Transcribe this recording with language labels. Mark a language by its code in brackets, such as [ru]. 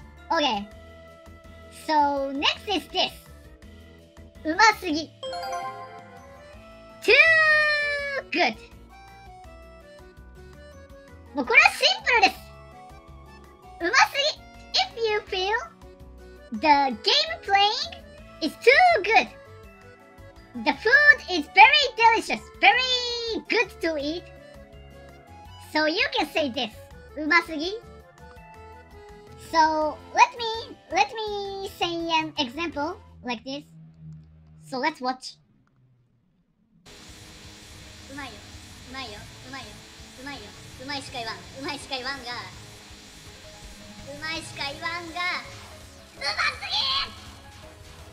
[en] Okay, so next is this! うますぎ! Too good! [ja] もうこれはシンプルです! うますぎ! [en] If you feel the game playing is too good! The food is very delicious, very good to eat. So you can say this, うますぎ。So let me say an example like this. So let's watch. [ja] うまいよ、うまいよ、うまいよ、うまいよ、うまいしか言わん、うまいしか言わんが、うまいしか言わんが、うますぎ。